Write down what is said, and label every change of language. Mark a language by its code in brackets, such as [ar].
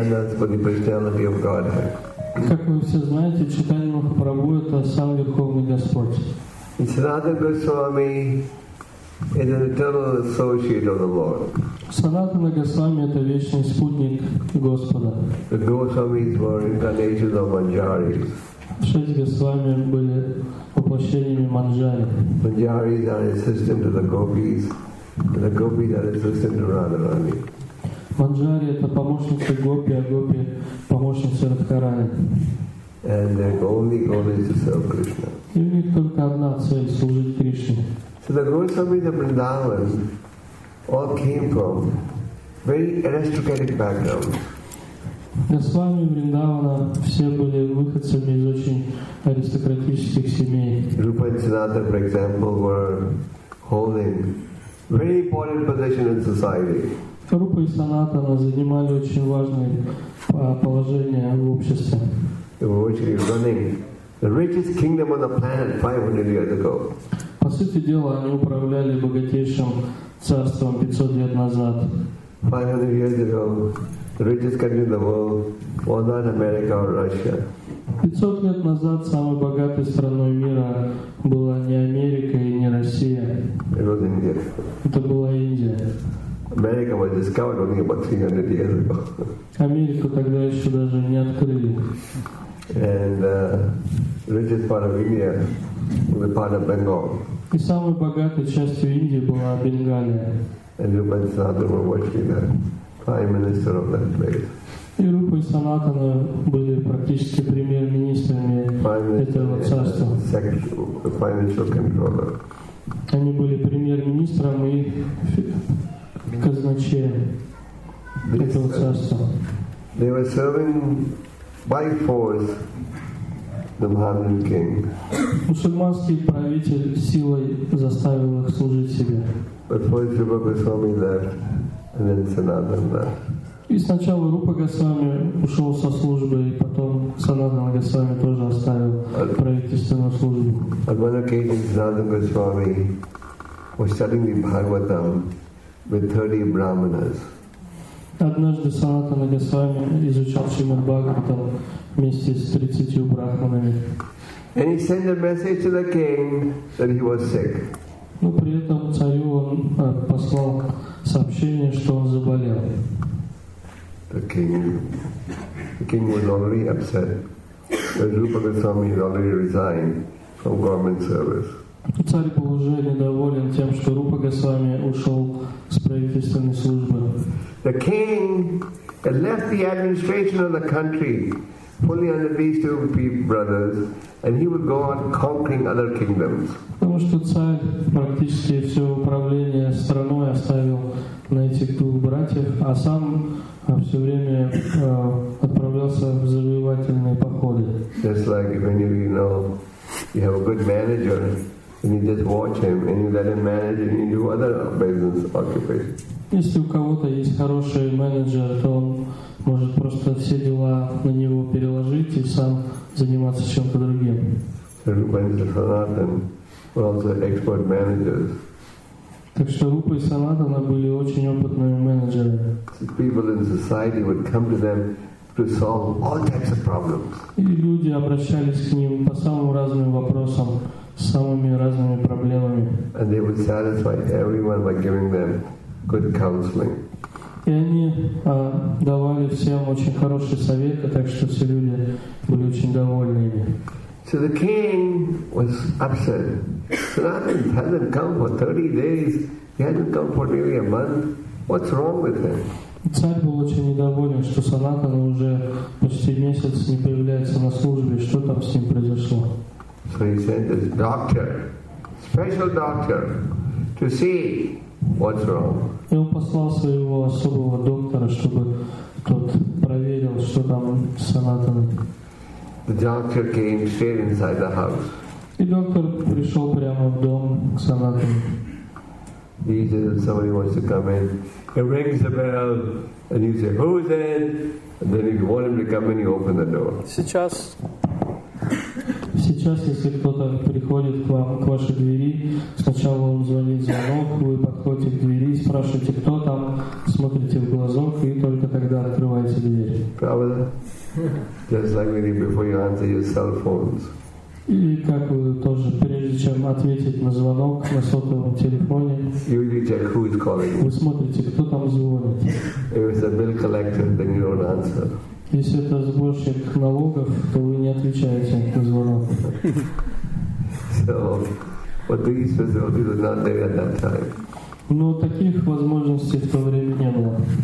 [ru] Как вы все знаете, Чайтанья Махапрабху — это сам Верховный Господь. [en] Саната Госвами is an eternal associate of the Lord. [ru] Санатана Госвами — это вечный спутник Господа. [en] The Goswamis were incarnations of Manjari. [ru] Шесть Госвами были воплощениями Манджари. [en] Manjaris are assistant to the Gopis, and the Gopis are assistant to Radharani. [ru] Манджари — это помощница Гопи, а Гопи — помощница Радхарани. [en] And their only goal is to serve Krishna. [ru] И у них только одна цель — служить Кришне. [en] So the Goswamis of Vrindavan all came from very aristocratic background. [ru] Госвами и Вриндавана все были выходцами из очень аристократических семей. [en] Rupa and Sanatana, for example, were holding very important position in society. [ru] Rupa и Sanatana занимали очень важное положение в обществе. [en] They were actually running the richest kingdom on the planet 500 years ago. [ru] По сути дела, они управляли богатейшим царством 500 лет назад. [en] 500 years ago, the richest country in the world was not America or Russia. [ru] 500 лет назад самой богатой страной мира была не Америка и не Россия. [en] It was India. [ru] Это была Индия. [en] America was discovered only about 300 years ago. [ru] Америку тогда еще даже не открыли. [en] And the richest part of India was the part of Bengal. [ru] И самой богатой частью Индии была Бенгалия. [en] And Rupa and Sanatana were watching the prime minister of that place. [ru] И Рупа и Санатана были практически премьер-министрами этого царства. [en] The financial controller. [ru] Они были премьер-министром и казначеем этого царства. [en] They were serving by force the Mohammedan king. [ru] Мусульманский правитель силой заставил их служить себе. [en] But first Rupa Goswami left, and then Sanatana left. [ru] И сначала Рупа Госвами ушел со службы, и потом Санатана Госвами тоже оставил правительственную службу. [en] At one occasion, Sanatana Goswami was studying the Bhagavatam with 30 brahmanas. [ru] Однажды Санатана Госвами изучал Шримад Бхагаватам вместе с 30 брахманами. [en] And he sent a message to the king that he was sick. [ru] Но при этом царю он послал сообщение, что он заболел. [en] The king was already upset that Rupa Goswami had already resigned from government service. [ru] Царь был уже недоволен тем, что Рупа Госвами ушел с правительственной службы. [en] The king had left the administration of the country fully under these two brothers, and he would go on conquering other kingdoms. [ru] Потому что царь практически все управление страной оставил на этих двух братьев, а сам все время отправлялся в завоевательные походы. [en] Just like if any of you know, you have a good manager, and you just watch him, and you let him manage, and you do other business occupations. [ru] Если у кого-то есть хороший менеджер, то он может просто все дела на него переложить и сам заниматься чем-то другим. [en] Rupa and Sanatana were also expert managers. [ru] Так что Рупа и Санатана были очень опытными менеджерами. [en] People in society would come to them to solve all types of problems. [ru] И люди обращались к ним по самым разным вопросам, самыми разными проблемами. [en] And they would satisfy everyone by giving them good counseling. [ru] И они давали всем очень хорошие советы, так что все люди были очень довольны ими. [en] So the king was upset. Sanatana hasn't come for 30 days. He hasn't come for nearly a month. What's wrong with him? [ru] Царь был очень недоволен, что Санатана уже почти месяц не появляется на службе. Что там с ним произошло? [en] So he sent his doctor, special doctor, to see what's wrong. [ru] И он послал своего особого доктора, чтобы тот проверил, что там с Санатаной. [en] The doctor came straight inside the house. [ru] И доктор пришел прямо в дом к Санатане. [en] He says if somebody wants to come in, he rings the bell, and you say, "Who's in?" And then if you want him to come in, you open the door. [ru] Сейчас, если кто-то приходит к вам к вашей двери, сначала он звонит звонок, вы подходите к двери, спрашиваете, кто там, смотрите в глазок, и только тогда открываете дверь. Правда? [en] Just like when you, before you answer your cell phones. [ru] И как вы тоже, прежде чем ответить на звонок на сотовом телефоне, [en] you really check who is calling. [ru] Вы смотрите, кто там звонит. [en] If it's a bill collector, then you don't answer. [ru] Если это сборщик налогов, то вы не отвечаете на звонок. [en] So, what these facilities were not there at that time. [ru] Но таких возможностей в то время не было.